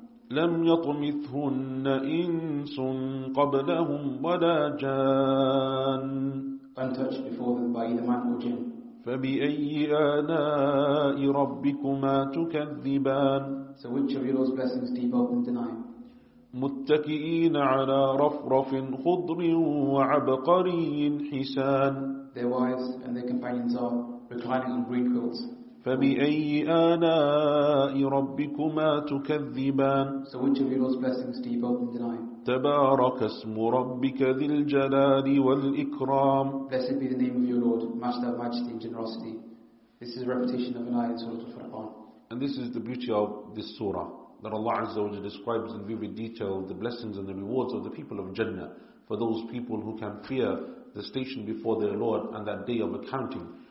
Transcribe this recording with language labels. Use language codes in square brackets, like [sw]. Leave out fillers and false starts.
[ar] لَمْ يَطْمِثْهُنَّ إِنْسٌ قَبْلَهُمْ وَلَا جَانٌ. [en] Untouched before them by either man or jinn. [ar] فَبِأَيِّ آلَاءِ رَبِّكُمَا تُكَذِّبَانِ. [en] So which of your Lord's blessings do you both deny? [ar] متكئين على رفرف خضر وعبقري حسان. [en] Their wives and their companions are reclining on green quilts. [ar] فبأي آلاء ربكما تكذبان. [en] So which of your Lord's blessings do you both deny? [ar] تبارك اسم ربك ذي الجلال والإكرام. [en] Blessed be the name of your Lord, Master of Majesty and Generosity. This is a repetition of an ayah in Surah Al-Furqan. And this is the beauty of this surah, that Allah Azza wa Jalla describes in vivid detail the blessings and the rewards of the people of Jannah, for those people who can fear the station before their Lord and that day of accounting.